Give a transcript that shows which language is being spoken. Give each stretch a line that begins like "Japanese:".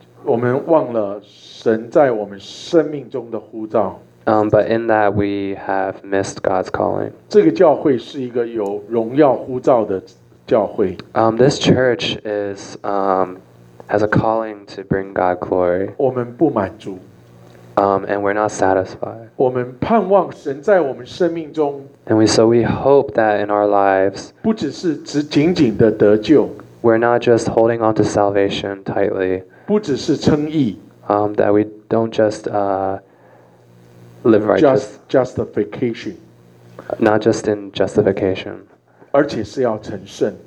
Chinese: 我们忘了神在我们生命中的呼召。
English: But in that we have missed God's calling.
Chinese: 这个教会是一个有荣耀呼召的教会。
English: This church is has a calling to bring God glory.
Chinese: 我们不满足。
English: And we're not satisfied.
Chinese: 我们盼望神在我们生命中。
English: And we hope that in our lives.
Chinese: 不只是只紧紧的得救。
English: We're not just holding on to salvation tightly.
Chinese: 不只是称义。
English: That we don't just live righteous. Justification. Not just in justification.
Chinese: 而且是要成圣。